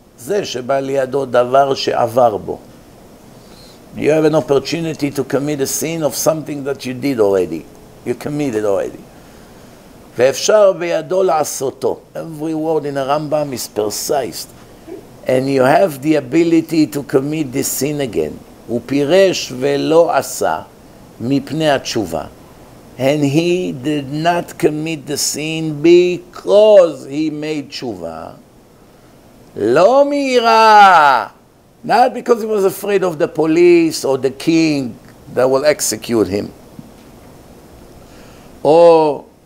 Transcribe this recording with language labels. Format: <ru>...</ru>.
<he>זה שבא לידו דבר שעבר בו.</he> <en>You have an opportunity to commit a sin of something that you did already. You committed already.</en> <he>ואפשר בידו לעשותו.</he> <en>Every word in the Rambam is precise. And you have the ability to commit this sin again.</en> <he>הוא פירש ולא עשה מפני התשובה.</he> <en>And he did not commit the sin because he made tshuva.</en> <he>Lo mira.</he> <en>Not because he was afraid of the police or the king that will execute him. Or</en>